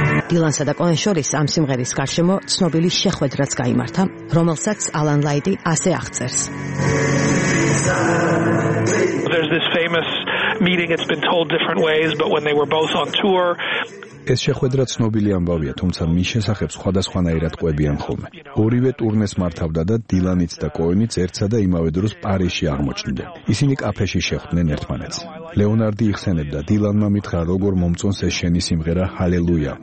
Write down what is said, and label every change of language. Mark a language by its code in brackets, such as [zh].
[ka] დილანსა და კოენ შორის ამ სიმღერის გარშემო ცნობილი შეხვედრაც გამართა, რომელსაც ალან ლაიტი ასე აღწერს. [en] There's this famous meeting, it's been told different ways, but when they were both on tour. [ka] ეს შეხვედრა ცნობილი ამბავია, თუმცა მის შესახებ სხვადასხვანაირად ყვებიან ხოლმე. ორივე ტურნეს მართავდა და დილანიც და კოენიც ერთსა და იმავე დროს პარიზში აღმოჩნდნენ. ისინი კაფეში შეხვდნენ ერთმანეთს. ლეონარდი იხსენებდა, დილანმა მითხრა, როგორ მომწონს ეს შენი სიმღერა Hallelujah.